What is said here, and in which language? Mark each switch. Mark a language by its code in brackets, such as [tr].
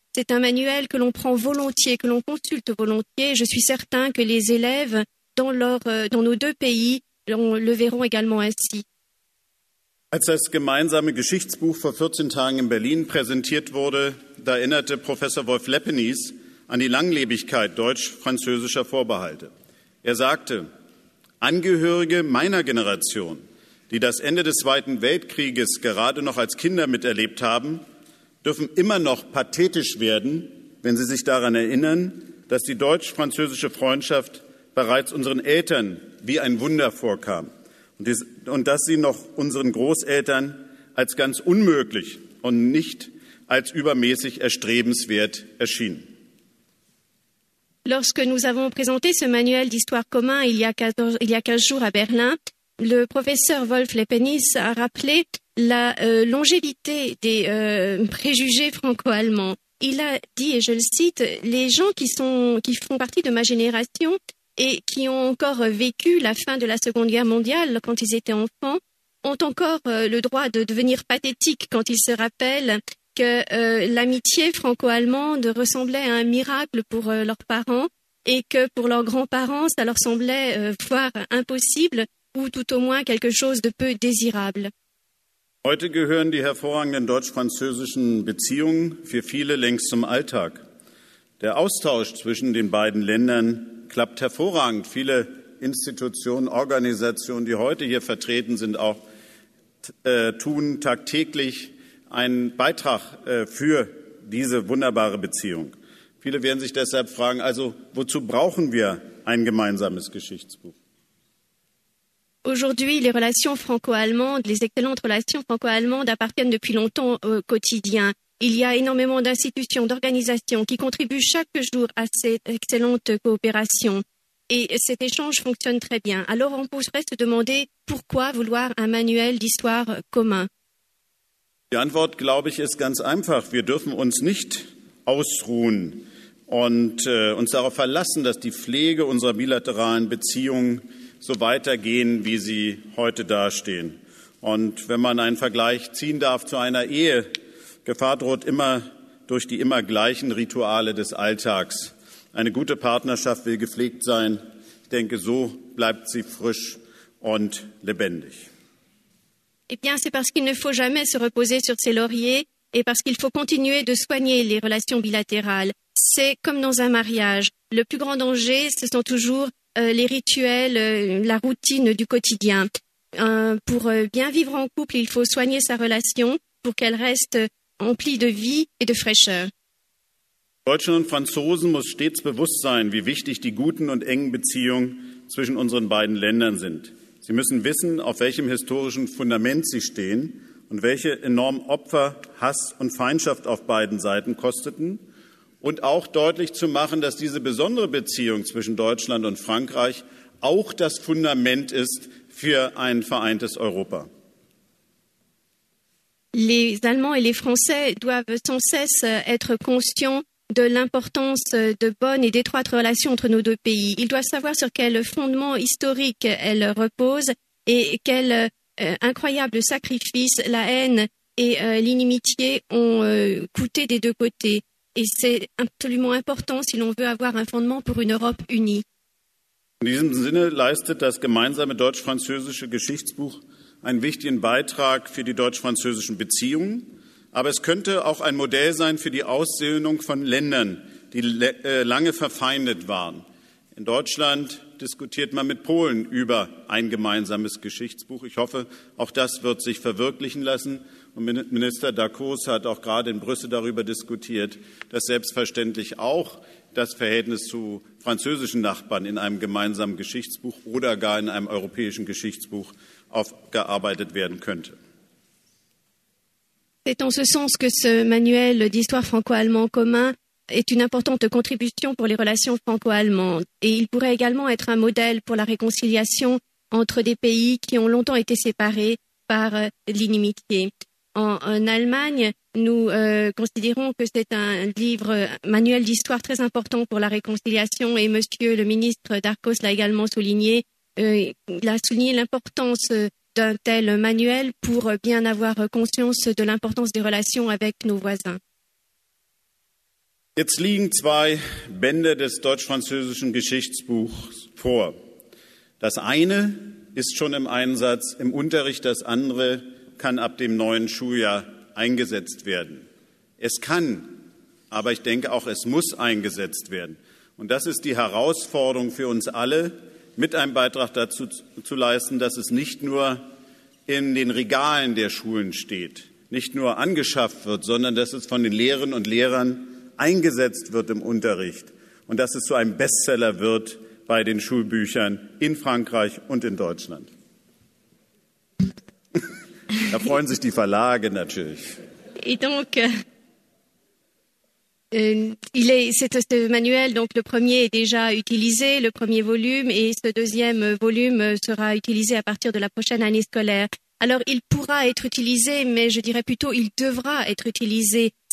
[fr] C'est un manuel que l'on prend volontiers, que l'on consulte volontiers. Je suis certain que les élèves dans nos deux pays le verront également ainsi. [de] Als das gemeinsame Geschichtsbuch vor 14 Tagen in Berlin präsentiert wurde, da erinnerte Professor Wolf Lepenies an die Langlebigkeit deutsch-französischer Vorbehalte. Er sagte: Angehörige meiner Generation, die das Ende des Zweiten Weltkrieges gerade noch als Kinder miterlebt haben, dürfen immer noch pathetisch werden, wenn sie sich daran erinnern, dass die deutsch-französische Freundschaft bereits unseren Eltern wie ein Wunder vorkam und dass sie noch unseren Großeltern als ganz unmöglich und nicht als übermäßig erstrebenswert erschien. [fr] Lorsque nous avons présenté ce manuel d'histoire commun il y a 15 jours à Berlin, le professeur Wolf Lepenies a rappelé la longévité des préjugés franco-allemands. Il a dit, et je le cite, « Les gens qui font partie de ma génération et qui ont encore vécu la fin de la Seconde Guerre mondiale quand ils étaient enfants ont encore le droit de devenir pathétiques quand ils se rappellent que l'amitié franco-allemande ressemblait à un miracle pour leurs parents et que pour leurs grands-parents, ça leur semblait voire impossible ou tout au moins quelque chose de peu désirable. [de] Heute gehören die hervorragenden deutsch-französischen Beziehungen für viele längst zum Alltag. Der Austausch zwischen den beiden Ländern klappt hervorragend. Viele Institutionen, Organisationen, die heute hier vertreten sind, auch tun tagtäglich einen Beitrag für diese wunderbare Beziehung. Viele werden sich deshalb fragen, also wozu brauchen wir ein gemeinsames Geschichtsbuch? [fr] Aujourd'hui, les relations franco-allemandes, les excellentes relations franco-allemandes appartiennent depuis longtemps au quotidien. Il y a énormément d'institutions, d'organisations qui contribuent chaque jour à cette excellente coopération. et cet échange fonctionne très bien. Alors on pourrait se demander pourquoi vouloir un manuel d'histoire commun. [de] Die Antwort, glaube ich, ist ganz einfach. Wir dürfen uns nicht ausruhen und uns darauf verlassen, dass die Pflege unserer bilateralen Beziehungen so weitergehen, wie sie heute dastehen. Und wenn man einen Vergleich ziehen darf zu einer Ehe, Gefahr droht immer durch die immer gleichen Rituale des Alltags. Eine gute Partnerschaft will gepflegt sein. Ich denke, so bleibt sie frisch und lebendig. [fr] Eh bien, c'est parce qu'il ne faut jamais se reposer sur ses lauriers et parce qu'il faut continuer de soigner les relations bilatérales. C'est comme dans un mariage. Le plus grand danger, ce sont toujours les rituels, la routine du quotidien. Pour bien vivre en couple, il faut soigner sa relation pour qu'elle reste emplie de vie et de fraîcheur. [de] Deutschen und Franzosen muss stets bewusst sein, wie wichtig die guten und engen Beziehungen zwischen unseren beiden Ländern sind. Sie müssen wissen, auf welchem historischen Fundament sie stehen und welche enormen Opfer Hass und Feindschaft auf beiden Seiten kosteten. Und auch deutlich zu machen, dass diese besondere Beziehung zwischen Deutschland und Frankreich auch das Fundament ist für ein vereintes Europa. [fr] Les Allemands et les Français doivent sans cesse être conscients de l'importance de bonnes et d'étroites relations entre nos deux pays. Ils doivent savoir sur quel fondement historique elles reposent et quel incroyable sacrifice la haine et l'inimitié ont coûté des deux côtés. Et c'est absolument important si l'on veut avoir un fondement pour une Europe unie. [de] In diesem Sinne leistet das gemeinsame deutsch-französische Geschichtsbuch einen wichtigen Beitrag für die deutsch-französischen Beziehungen. Aber es könnte auch ein Modell sein für die Aussöhnung von Ländern, die lange verfeindet waren. In Deutschland diskutiert man mit Polen über ein gemeinsames Geschichtsbuch. Ich hoffe, auch das wird sich verwirklichen lassen. Und Minister Dacos hat auch gerade in Brüssel darüber diskutiert, dass selbstverständlich auch das Verhältnis zu französischen Nachbarn in einem gemeinsamen Geschichtsbuch oder gar in einem europäischen Geschichtsbuch aufgearbeitet werden könnte. [fr] C'est en ce sens que ce manuel d'histoire franco-allemand commun est une importante contribution pour les relations franco-allemandes. Et il pourrait également être un modèle pour la réconciliation entre des pays qui ont longtemps été séparés par l'inimitié. En Allemagne, nous considérons que c'est un livre manuel d'histoire très important pour la réconciliation. Et Monsieur le ministre Dacos l'a également souligné. Il a souligné l'importance d'un tel manuel pour bien avoir conscience de l'importance des relations avec nos voisins. [de] Jetzt liegen zwei Bände des deutsch-französischen Geschichtsbuchs vor. Das eine ist schon im Einsatz im Unterricht, das andere kann ab dem neuen Schuljahr eingesetzt werden. Es kann, aber ich denke auch, es muss eingesetzt werden. Und das ist die Herausforderung für uns alle, mit einem Beitrag dazu zu leisten, dass es nicht nur in den Regalen der Schulen steht, nicht nur angeschafft wird, sondern dass es von den Lehrerinnen und Lehrern eingesetzt wird im Unterricht und dass es zu einem Bestseller wird bei den Schulbüchern in Frankreich und in Deutschland. Da freuen sich die Verlage natürlich. [fr] Ce manuel, donc le premier est déjà utilisé, le premier volume, et ce deuxième volume sera utilisé à partir de la prochaine année scolaire. Alors, il pourra être utilisé, mais je dirais plutôt, il devra être utilisé.